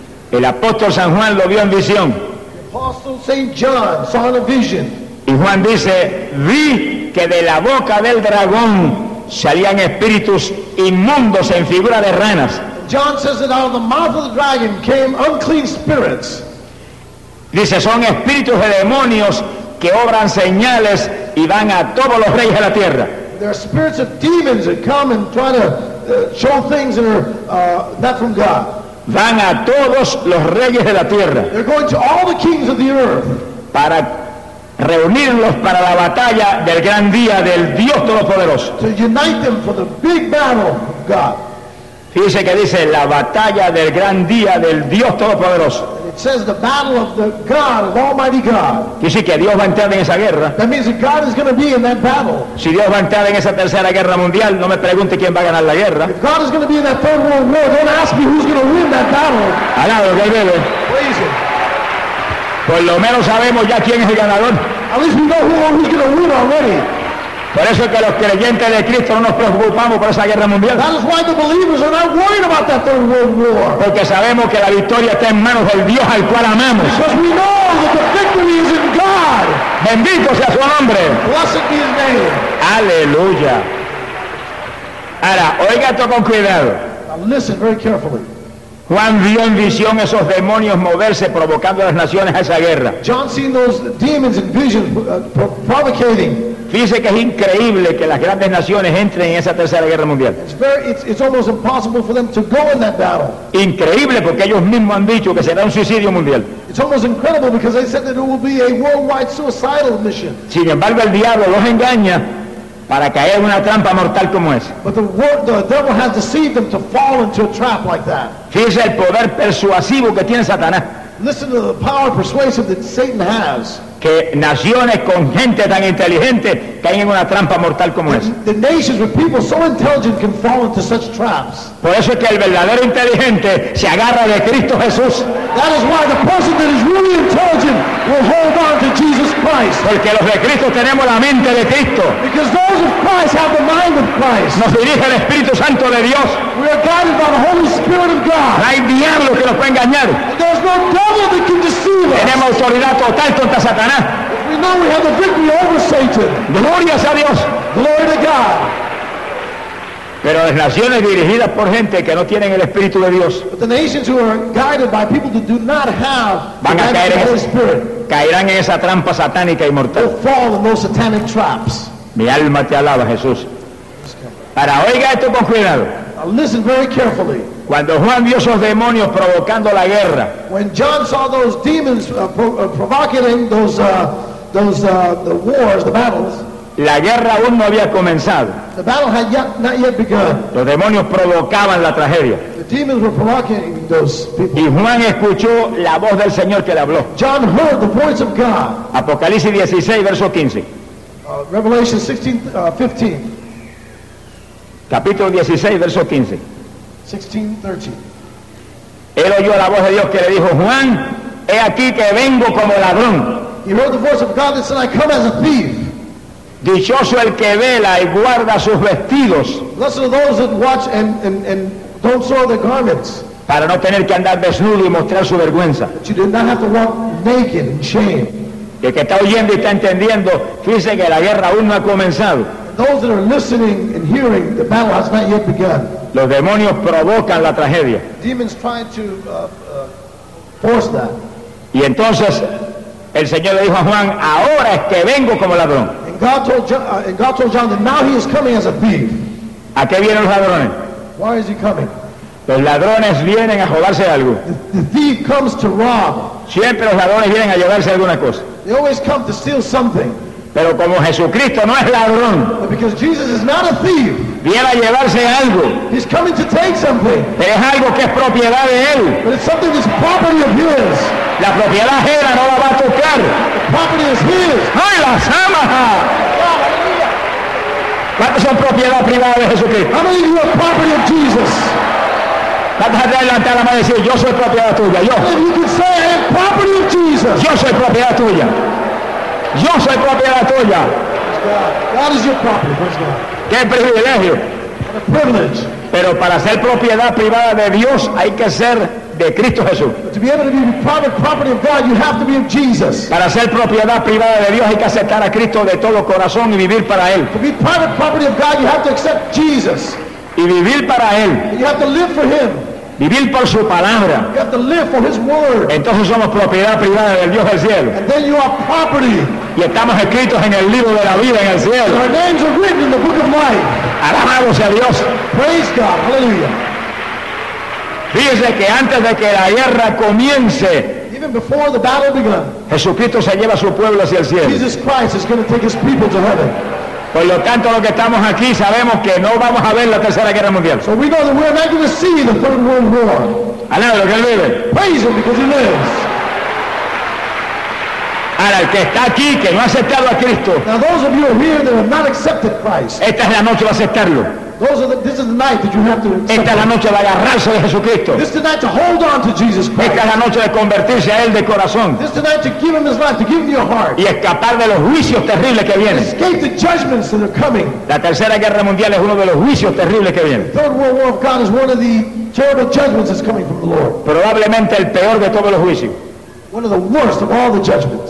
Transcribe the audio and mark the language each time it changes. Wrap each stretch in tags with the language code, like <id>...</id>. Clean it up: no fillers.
<es>El apóstol San Juan lo vio en visión.</es> <en>Apostle Saint John saw in a vision.</en> <es>Y Juan dice, vi que de la boca del dragón salían espíritus inmundos en figura de ranas.</es> <en>John says that out of the mouth of the dragon came unclean spirits.</en> <es>Dice, son espíritus de demonios que obran señales y van a todos los reyes de la tierra.</es> <en>There are spirits of demons that come and try to show things that are not from God.</en> <es>Van a todos los reyes de la tierra.</es> <en>They're going to all the kings of the earth.</en> <es>Para reunirlos para la batalla del gran día del Dios Todopoderoso.</es> <en>To unite them for the big battle of God.</en> <es>Fíjese que dice la batalla del gran día del Dios Todopoderoso.</es> <en>It says the battle of the God, of Almighty God.</en> <es>Dice que Dios va a entrar en esa guerra.</es> <en>That means that God is going to be in that battle.</en> <es>Si Dios va a entrar en esa tercera guerra mundial, no me pregunte quién va a ganar la guerra.</es> <en>If God is going to be in that third world war, don't ask me who's going to win that battle.</en> <es>Alado, que bebe.</es> <en>Praise it.</en> <es>Por lo menos sabemos ya quién es el ganador.</es> <en>At least we know who's going to win already.</en> <es>Por eso es que los creyentes de Cristo no nos preocupamos por esa guerra mundial.</es> <en>That is why the believers are not worried about that third world war.</en> <es>Porque sabemos que la victoria está en manos del Dios al cual amamos.</es> <en>Because we know that the victory is in God.</en> <es>Bendito sea su nombre.</es> <en>Blessed be his name.</en> <es>Aleluya. Ahora, oiga esto con cuidado.</es> <en>Now listen very carefully.</en> <es>Juan vio en visión esos demonios moverse provocando a las naciones a esa guerra.</es> <en>John seen those demons in vision provocating.</en> <es>Fíjese que es increíble que las grandes naciones entren en esa tercera guerra mundial.</es> <en>It's almost impossible for them to go in that battle.</en> <es>Increíble porque ellos mismos han dicho que será un suicidio mundial.</es> <en>It's almost incredible because they said that it will be a worldwide suicidal mission.</en> <es>Sin embargo, el diablo los engaña para caer en una trampa mortal como esa.</es> <en>But the devil has deceived them to fall into a trap like that.</en> <es>Fíjese el poder persuasivo que tiene Satanás.</es> <en>Listen to the power persuasive that Satan has.</en> <es>Que naciones con gente tan inteligente caen en una trampa mortal como esa.</es> <en>The nations with people so intelligent can fall into such traps.</en> <es>Por eso es que el verdadero inteligente se agarra de Cristo Jesús.</es> <en>That is why the person that is really intelligent will hold on to Jesus Christ.</en> <es>Porque los de Cristo tenemos la mente de Cristo.</es> <en>Because those of Christ have the mind of Christ.</en> <es>Nos dirige el Espíritu Santo de Dios.</es> <en>We are guided by the Holy Spirit of God.</en> <es>No hay diablo que nos pueda engañar.</es> <en>There's no devil that can deceive us.</en> <es>Tenemos autoridad total contra Satanás.</es> <en>We know we have the victory over Satan.</en> <es>Gloria a Dios.</es> <en>Glory to God.</en> <es>Pero las naciones dirigidas por gente que no tienen el Espíritu de Dios.</es> <en>But the nations who are guided by people that do not have the Holy Spirit.</en> <es>Caerán en esa trampa satánica y mortal.</es> <en>They'll fall in those satanic traps.</en> <es>Mi alma te alaba, Jesús. Para oiga esto con cuidado.</es> <en>Now listen very carefully.</en> <es>Cuando Juan vio esos demonios provocando la guerra.</es> <en>When John saw those demons provoking those the wars, the battles.</en> <es>La guerra aún no había comenzado.</es> <en>The battle had yet, not yet begun.</en> <es>Los demonios provocaban la tragedia.</es> <en>The demons were provoking those people.</en> <es>Y Juan escuchó la voz del Señor que le habló.</es> <en>John heard the voice of God.</en> <es>Apocalipsis 16, verso 15.</es> <en>Revelation 16:15.</en> <es>Capítulo 16, verso 15.</es> <en>16:13.</en> <es>Él oyó la voz de Dios que le dijo, Juan, he aquí que vengo como ladrón.</es> <en>He heard the voice of God that said, I come as a thief.</en> <es>Dichoso el que vela y guarda sus vestidos.</es> <en>Blessed are those that watch and don't soil their garments.</en> <es>Para no tener que andar desnudo y mostrar su vergüenza.</es> <en>But you do not have to walk naked in shame.</en> <es>Y el que está oyendo y está entendiendo, fíjese que la guerra aún no ha comenzado.</es> <en>Those that are listening and hearing, the battle has not yet begun.</en> <es>Los demonios provocan la tragedia.</es> <en>Demons try to force that.</en> <es>Y entonces el Señor le dijo a Juan, ahora es que vengo como ladrón.</es> <en>God told John that now he is coming as a thief.</en> <es>¿A qué vienen los ladrones?</es> <en>Why is he coming?</en> <es>Los ladrones vienen a robarse algo.</es> <en>The thief comes to rob.</en> <es>Siempre los ladrones vienen a llevarse alguna cosa.</es> <en>They always come to steal something.</en> <es>Pero como Jesucristo no es ladrón,</es> <en>but because Jesus is not a thief,</en> <es>viene a llevarse algo.</es> <en>He's coming to take something.</en> <es>Pero es algo que es propiedad de él.</es> <en>But it's something that's property of his.</en> <es>La propiedad ajena no la va a tocar.</es> <en>The property is his.</en> <es>¡Ay, la samaja! ¿Cuántos son propiedad privada de Jesucristo?</es> <en>How many of you are property of Jesus?</en> <es>¿Cuántos han levantado la mano y decir, yo soy propiedad tuya, yo?</es> <en>And you can say, I'm property of Jesus.</en> <es>Yo soy propiedad tuya. Yo soy propiedad tuya.</es> <en>God is your property, praise God.</en> <es>¡Qué privilegio!</es> <en>What a privilege.</en> <es>Pero para ser propiedad privada de Dios hay que ser de Cristo Jesús.</es> <en>But to be able to be private property of God, you have to be of Jesus.</en> <es>Para ser propiedad privada de Dios hay que aceptar a Cristo de todo corazón y vivir para él.</es> <en>To be private property of God, you have to accept Jesus.</en> <es>Y vivir para él.</es> <en>You have to live for him.</en> <es>Vivir por su palabra.</es> <en>You have to live for his word.</en> <es>Entonces somos propiedad privada del Dios del cielo.</es> <en>And then you are property.</en> <es>Y estamos escritos en el libro de la vida en el cielo.</es> <en>And our names are written in the book of life.</en> <es>Alabado sea Dios.</es> <en>Praise God. Hallelujah.</en> <es>Fíjese que antes de que la guerra comience,</es> <en>even before the battle began,</en> <es>Jesucristo se lleva a su pueblo hacia el cielo.</es> <en>Jesus Christ is going to take his people to heaven.</en> <es>Por lo tanto, los que estamos aquí sabemos que no vamos a ver la Tercera Guerra Mundial.</es> <en>So we know that we are not going to see the Third World War.</en> <es>Alábalo, que él vive.</es> <en>Praise him because he lives.</en> <es>Ahora, el que está aquí, que no ha aceptado a Cristo,</es> <en>now those of you are here that have not accepted Christ,</en> <es>esta es la noche de aceptarlo.</es> <en>This is the night that you have to accept.</en> <es>Esta es la noche de agarrarse de Jesucristo.</es> <en>This is the night to hold on to Jesus Christ.</en> <es>Esta es la noche de convertirse a él de corazón.</es> <en>This is the night to give him his life, to give him your heart.</en> <es>Y escapar de los juicios terribles que vienen.</es> <en>Escape the judgments that are coming.</en> <es>La Tercera Guerra Mundial es uno de los juicios terribles que vienen.</es> <en>The Third World War of God is one of the terrible judgments that's coming from the Lord.</en> <es>Probablemente el peor de todos los juicios.</es> <en>One of the worst of all the judgments.</en>